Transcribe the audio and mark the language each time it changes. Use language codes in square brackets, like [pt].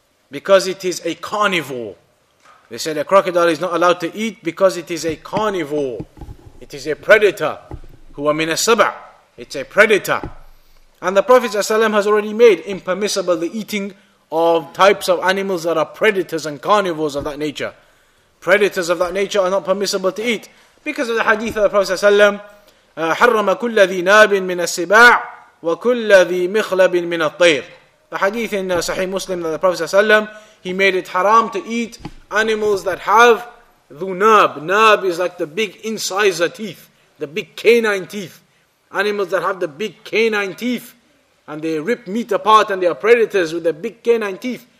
[en] Because it is a carnivore. They said a crocodile is not allowed to eat because it is a carnivore. It is a predator. [ar] Huwa min as-sab'. [en] It's a predator. And the Prophet ﷺ has already made impermissible the eating of types of animals that are predators and carnivores of that nature. Predators of that nature are not permissible to eat. Because of the hadith of the Prophet ﷺ, [ar] حَرَّمَ كُلَّ ذِي نَابٍ مِنَ السِّبَاعِ وَكُلَّ ذِي مِخْلَبٍ مِنَ الطَّيْرِ. [en] The hadith in Sahih Muslim that the Prophet ﷺ, he made it haram to eat animals that have dhunab. Nab is like the big incisor teeth, the big canine teeth. Animals that have the big canine teeth, and they rip meat apart and they are predators with the big canine teeth.